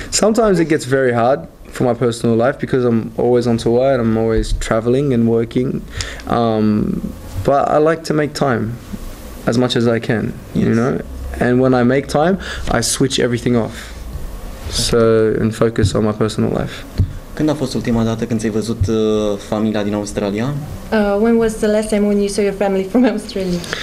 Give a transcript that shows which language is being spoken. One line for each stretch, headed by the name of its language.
English: Sometimes it gets very hard for my personal life because I'm always on tour and I'm always traveling and working. But I like to make time as much as I can, you know? And when I make time, I switch everything off. So, and focus on my personal life.
Romanian: Când a fost ultima dată când ți-ai văzut familia din Australia?
English: When was the last time when you saw your family from Australia?